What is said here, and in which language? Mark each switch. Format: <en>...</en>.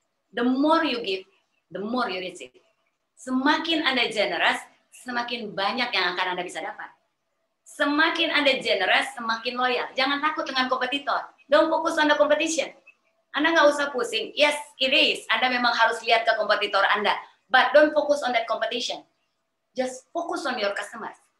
<en>The more you give, the more you receive.</en> <id>Semakin Anda generous, semakin banyak yang akan Anda bisa dapat. Semakin Anda generous, semakin loyal. Jangan takut dengan kompetitor.</id> <en>Don't focus on the competition.</en> <id>Anda nggak usah pusing.</id> <en>Yes, it is.</en> <id>Anda memang harus lihat ke kompetitor Anda.</id> <en>But don't focus on that competition. Just focus on your customers.</en>